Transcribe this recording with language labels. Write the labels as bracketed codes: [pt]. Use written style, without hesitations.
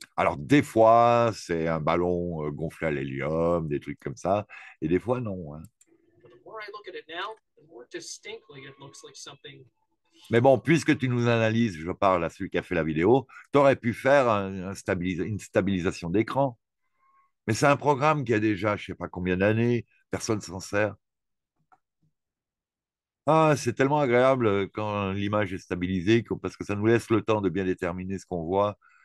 [fr] Alors, des fois, c'est un ballon gonflé à l'hélium, des trucs comme ça. Et des fois, non. Hein. [en] But the more I look at it now, the more distinctly it looks like something. [fr] Mais bon, puisque tu nous analyses, je parle à celui qui a fait la vidéo, tu aurais pu faire une stabilisation d'écran. Mais c'est un programme qui a déjà, je ne sais pas combien d'années, personne ne s'en sert. Ah, c'est tellement agréable quand l'image est stabilisée parce que ça nous laisse le temps de bien déterminer ce qu'on voit.